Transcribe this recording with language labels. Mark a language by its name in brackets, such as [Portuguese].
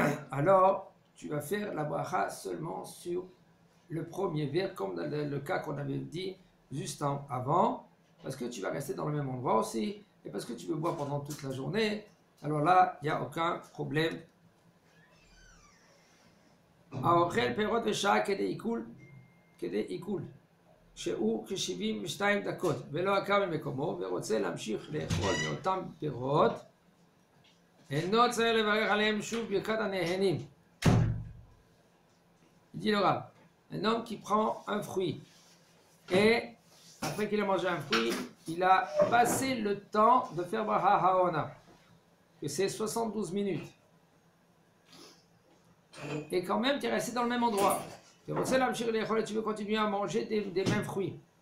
[French] Alors, tu vas faire la bracha seulement sur le premier verre, comme dans le cas qu'on avait dit juste avant, parce que tu vas rester dans le même endroit aussi, et parce que tu veux boire pendant toute la journée. Alors là, il n'y a aucun problème. [Hebrew] האוכל פירות בשעה כדי עיכול, כדי עיכול, שהוא כ-72 דקות, ולא עקר ממקומו, ורוצה להמשיך לאכול מאותם פירות, אינו צריך לברך עליהם שוב ברכת הנהנים. [French] Dit le rab, un homme qui prend un fruit et après qu'il a mangé un fruit, il a passé le temps de faire Braha Haona, que c'est 72 minutes. Et quand même, tu es resté dans le même endroit. Tu veux continuer à manger des mêmes fruits.